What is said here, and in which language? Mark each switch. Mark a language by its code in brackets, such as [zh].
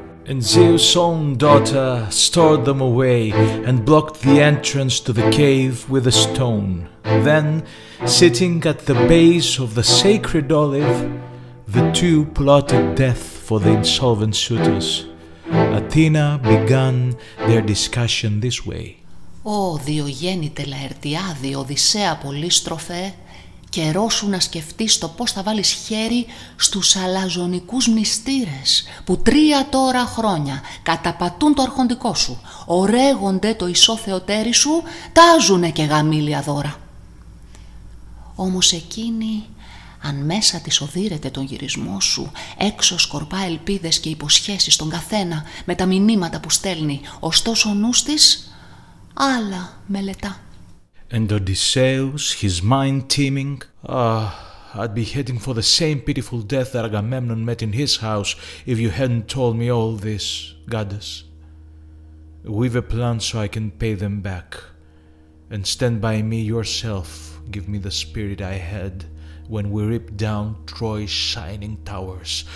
[en] And Zeus' own daughter stored them away and blocked the entrance to the cave with a stone. Then, sitting at the base of the sacred olive, the two plotted death for the insolvent suitors. Athena began their discussion this way. [el] Ω, Διογέννητε Λαερτιάδη, Οδυσσέα πολύστροφε, καιρό σου να σκεφτείς το πώς θα βάλεις χέρι στους αλαζονικούς μνηστήρες που τρία τώρα χρόνια καταπατούν το αρχοντικό σου, ωρέγονται το ισόθεοτέρι σου, τάζουνε και γαμήλια δώρα. Όμως εκείνη, αν μέσα της οδύρεται τον γυρισμό σου, έξω σκορπά ελπίδες και υποσχέσεις στον καθένα με τα μηνύματα που στέλνει, ωστόσο ο νους της άλλα μελετά. [en] And Odysseus, his mind teeming, I'd be heading for the same pitiful death that Agamemnon met in his house if you hadn't told me all this, goddess. Weave a plan so I can pay them back, and stand by me yourself, give me the spirit I had when we ripped down Troy's shining towers.